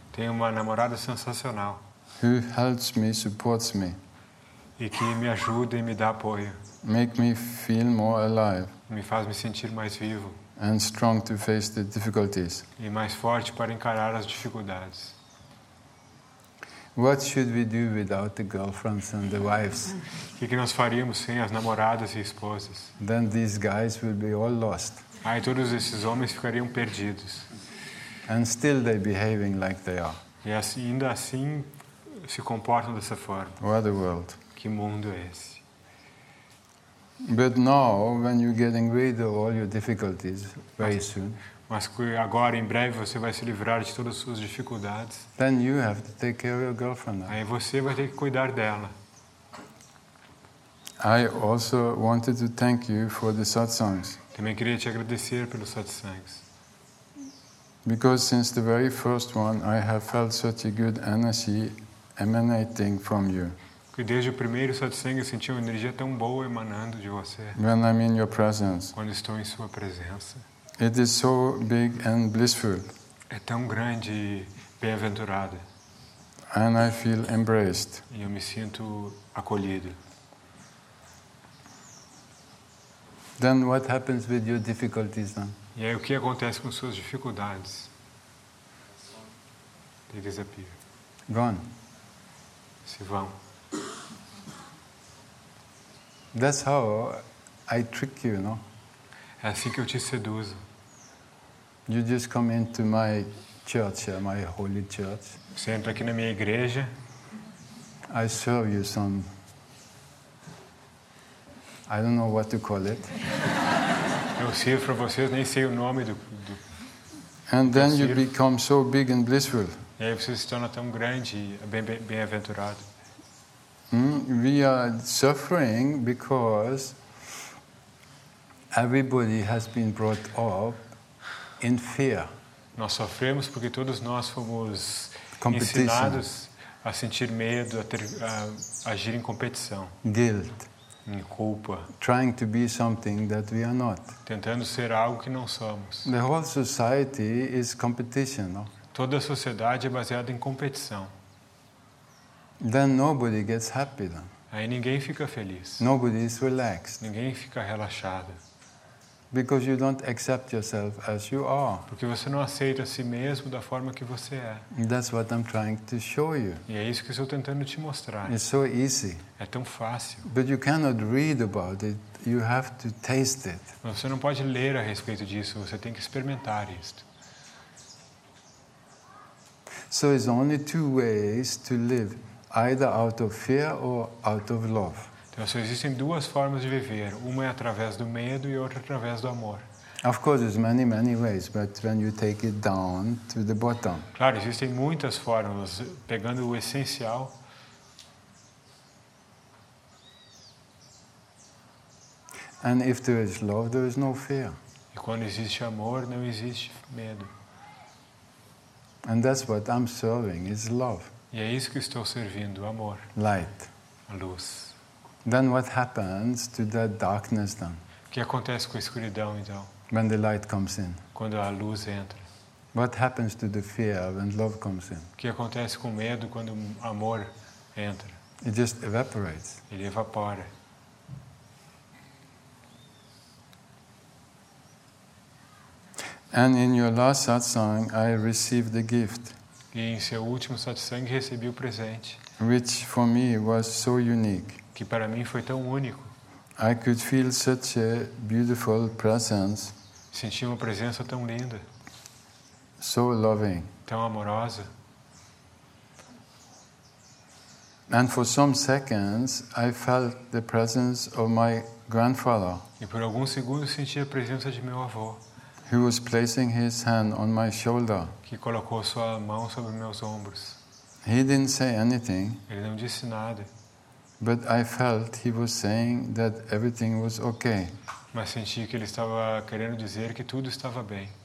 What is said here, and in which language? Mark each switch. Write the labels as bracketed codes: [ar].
[pt] Tenho uma namorada sensacional. [en] Who helps me, supports me. [pt] E que me ajuda e me dá apoio. [en] Make me feel more alive. [pt] Me faz me sentir mais vivo. [en] And strong to face the difficulties. [pt] E mais forte para encarar as dificuldades. [en] What should we do without the girlfriends and the wives? [pt] Que nós faríamos sem as namoradas e esposas? [en] Then these guys will be all lost. [pt] Aí todos esses homens ficariam perdidos. [en] And still they're behaving like they are. [pt] E assim, ainda assim se comportam dessa forma. [en] What a world. [pt] Que mundo é esse? [en] But now, when you're getting rid of all your difficulties, very soon. [pt] Mas agora, em breve, você vai se livrar de todas as suas dificuldades. [en] Then you have to take care of your girlfriend now. [pt] Aí você vai ter que cuidar dela. [en] I also wanted to thank you for the satsangs. [pt] Também queria te agradecer pelos satsangs. [en] Because since the very first one, I have felt such a good energy emanating from you. [pt] Porque desde o primeiro satsang eu senti uma energia tão boa emanando de você. [en] When I'm in your presence. [pt] Quando estou em sua presença. [en] It is so big and blissful. [pt] É tão grande e bem-aventurado. [en] And I feel embraced. [pt] E eu me sinto acolhido. [en] Then what happens with your difficulties then? [pt] E aí o que acontece com suas dificuldades? [en] They disappear. Gone. [pt] Se vão. [en] That's how I trick you, no? [pt] É assim que eu te seduzo. [en] You just come into my church, my holy church. [pt] Você entra aqui na minha igreja. [en] I serve you some. I don't know what to call it. [pt] Eu sirvo para vocês, nem sei o nome do. [en] And then you become so big and blissful. [pt] E aí você se torna tão grande e bem-aventurado. [en] We are suffering because everybody has been brought up in fear. [pt] Nós sofremos porque todos nós fomos ensinados a sentir medo, a agir em competição. [en] Guilt. [pt] Em culpa. [en] Trying to be something that we are not. [pt] Tentando ser algo que não somos. [en] The whole society is competition, no? [pt] Toda a sociedade é baseada em competição. [en] Then nobody gets happy then. [pt] Aí ninguém fica feliz. [en] Nobody is relaxed. [pt] Ninguém fica relaxado. [en] Because you don't accept yourself as you are. [pt] Porque você não aceita a si mesmo da forma que você é. [en] That's what I'm trying to show you. [pt] E é isso que eu estou tentando te mostrar. [en] It's so easy. [pt] É tão fácil. [en] But you cannot read about it. You have to taste it. [pt] Você não pode ler a respeito disso. Você tem que experimentar isto. [en] So there's only two ways to live. Either out of fear or out of love. [pt] Então, só existem duas formas de viver. Uma é através do medo e outra através do amor. [en] Of course, there's many, many ways, but when you take it down to the bottom. [pt] Claro, existem muitas formas, pegando o essencial. [en] And if there is love, there is no fear. [pt] E quando existe amor, não existe medo. [en] And that's what I'm serving, is love. [pt] E é isso que estou servindo, o amor. [en] Light. [pt] A luz. [en] Then what happens to the darkness then? [pt] O que acontece com a escuridão então? [en] When the light comes in. [pt] Quando a luz entra. [en] What happens to the fear when love comes in? [pt] O que acontece com o medo quando o amor entra? [en] It just evaporates. [pt] Ele evapora. [en] And in your last satsang, I received the gift. [pt] E em seu último satsang recebi o presente. [en] Which for me was so unique. [pt] Que para mim foi tão único. [en] I could feel such a beautiful presence. [pt] Senti uma presença tão linda. [en] So loving. [pt] Tão amorosa. [en] And for some seconds I felt the presence of my grandfather. [pt] E por alguns segundos senti a presença de meu avô. [en] He was placing his hand on my shoulder. [pt] Que colocou sua mão sobre meus ombros. [en] He didn't say anything. [pt] Ele não disse nada. [en] But I felt he was saying that everything was okay. [pt] Mas senti que ele estava querendo dizer que tudo estava bem.